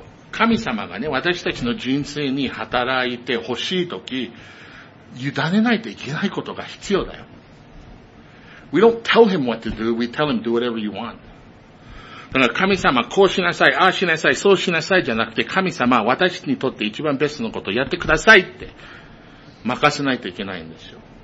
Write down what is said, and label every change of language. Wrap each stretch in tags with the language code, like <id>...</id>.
<ja>神様がね、私たちの人生に働いてほしいとき、委ねないといけないことが必要だよ。</ja> <en>We don't tell him what to do, we tell him do whatever you want.</en> <ja>だから神様、こうしなさい、ああしなさい、そうしなさいじゃなくて、神様、私にとって一番ベストのことをやってくださいって、任せないといけないんですよ。</ja>